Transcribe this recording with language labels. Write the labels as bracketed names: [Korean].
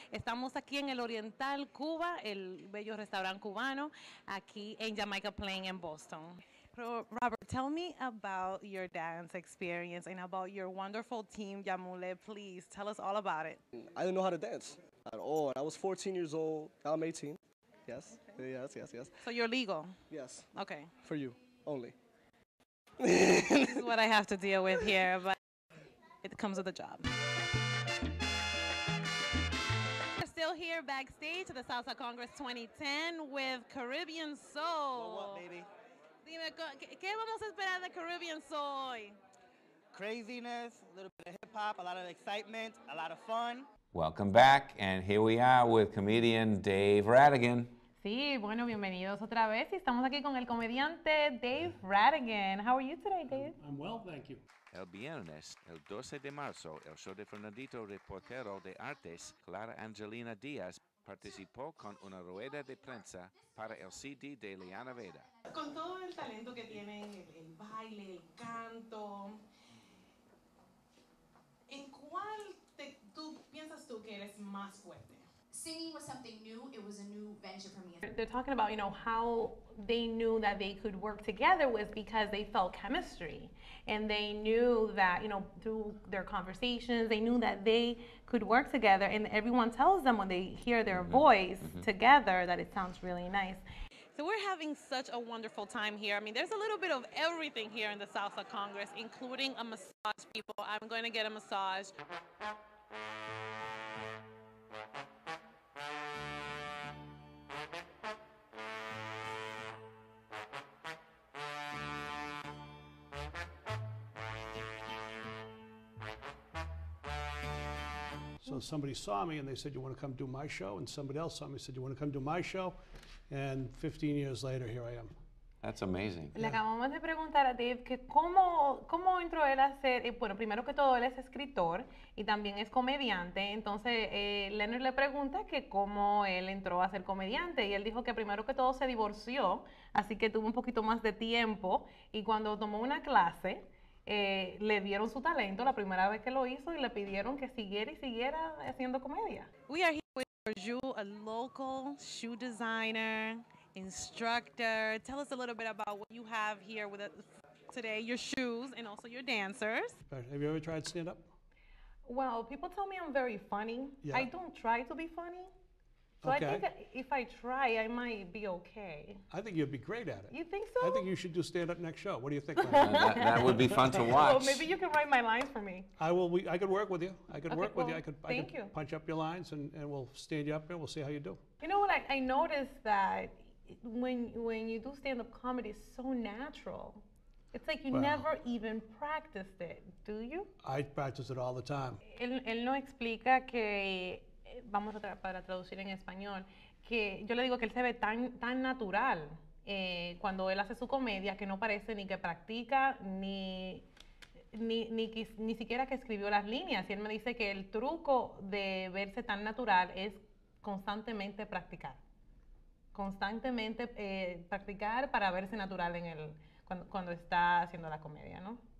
[Spanish] Estamos aquí en el Oriental Cuba, el bello restaurante cubano, aquí en Jamaica Plain en Boston. [English] Robert, tell me about your dance experience and about your wonderful team, Yamule. Please, tell us all about it. I didn't know how to dance at all. I was 14 years old. Now I'm 18. Yes, okay. Yes. So you're legal? Yes. Okay. For you, only. This is what I have to deal with here, but it comes with a job. We're still here backstage at the Salsa Congress 2010 with Caribbean Soul. What, baby? [Spanish] Dime, ¿qué vamos a esperar de Caribbean Soul hoy? [English] Craziness, a little bit of hip-hop, a lot of excitement, a lot of fun. Welcome back, and here we are with comedian Dave Radigan. [Spanish] Sí, bueno, bienvenidos otra vez. Y estamos aquí con el comediante Dave Radigan. [English] How are you today, Dave? I'm well, thank you. [Spanish] El viernes, el 12 de marzo, el show de Fernandito, reportero de artes, Clara Angelina Díaz, participó con una rueda de prensa para el CD de Liana Veda. Con todo el talento que tiene, el baile, el canto, ¿en cuál tú piensas tú que eres más fuerte? [English] Singing was something new. It was a new venture for me. They're talking about, you know, how they knew that they could work together was because they felt chemistry. And they knew that, you know, through their conversations, they knew that they could work together. And everyone tells them when they hear their voice together that it sounds really nice. So we're having such a wonderful time here. I mean, there's a little bit of everything here in the Salsa Congress, including a massage, people. I'm going to get a massage. So somebody saw me and they said, you want to come do my show? And somebody else saw me and said, you want to come do my show? And 15 years later, here I am. That's amazing. [Spanish] Le acabamos de preguntar a Dave que cómo entró él a ser, bueno, primero que todo, él es escritor y también es comediante. Entonces, Leonard le pregunta que cómo él entró a ser comediante. Y él dijo que primero que todo se divorció, así que tuvo un poquito más de tiempo. Y cuando tomó una clase, le dieron su talento la primera vez que lo hizo y le pidieron que siguiera y siguiera haciendo comedia. [English] We are here with Ju, a local shoe designer, instructor. Tell us a little bit about what you have here with us today, your shoes and also your dancers. Have you ever tried stand up? Well, people tell me I'm very funny. Yeah. I don't try to be funny. So okay. I think if I try, I might be okay. I think you'd be great at it. You think so? I think you should do stand-up next show. What do you think? that would be fun to watch. Well, maybe you can write my lines for me. I could work with you. Thank you. Punch up your lines and we'll stand you up and we'll see how you do. You know what? I noticed that when you do stand-up comedy, it's so natural. It's like you never even practiced it, do you? I practice it all the time. [Spanish] Él no explica que... Vamos para traducir en español, que yo le digo que él se ve tan natural cuando él hace su comedia que no parece ni que practica ni siquiera que escribió las líneas. Y él me dice que el truco de verse tan natural es constantemente practicar para verse natural en cuando está haciendo la comedia, ¿no?